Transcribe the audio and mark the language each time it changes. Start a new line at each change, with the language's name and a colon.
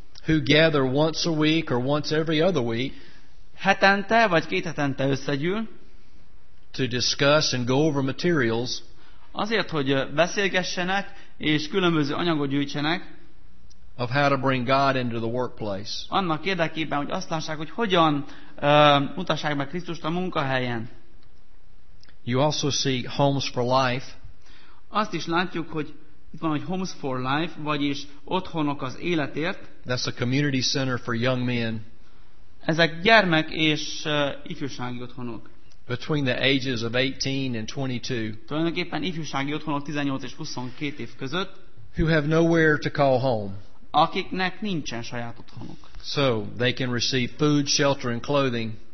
English: who gather once a week or once every other week,
Hungarian: hetente vagy két hetente összegyűl,
English: to discuss and go over materials.
Hungarian: Azért, hogy beszélgessenek és különböző anyagot gyűjtsenek.
English: Of how to bring God into the workplace.
Hungarian: Annak érdekében, hogy azt lássák, hogy hogyan mutassák meg Krisztust a munkahelyen.
English: You also see homes for life.
Hungarian: Azt is látjuk, hogy itt van, hogy
English: homes for life,
Hungarian: vagyis otthonok az életért.
English: That's a community center for young men.
Hungarian: Ezek gyermek és ifjúsági otthonok.
English: Between the ages of 18 and 22.
Hungarian: Tulajdonképpen ifjúsági otthonok 18 és 22 év között.
English: Who have nowhere to call home.
Hungarian: Akiknek nincsen saját otthonuk.
English: So they can receive food, shelter and clothing.